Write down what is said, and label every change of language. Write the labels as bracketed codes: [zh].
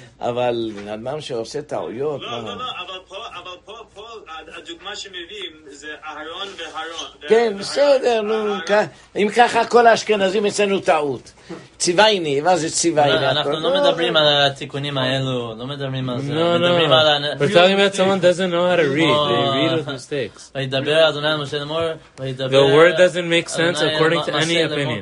[he] אבל אדם שעושה טעויות... לא, לא, לא, אבל פה, הדוגמה שמביאים זה אהרון והרון. כן, בסדר, נו, אם ככה כל האשכנזים אצלנו טעות. צבעיני, מה זה צבעיני? אנחנו לא מדברים על התיקונים האלו, לא מדברים על זה. [en] No, no, we're talking about someone doesn't know how to read. They read with mistakes. [he] וידבר אדוני אל משה לאמור, וידבר... [en] The word doesn't make sense according to any opinion.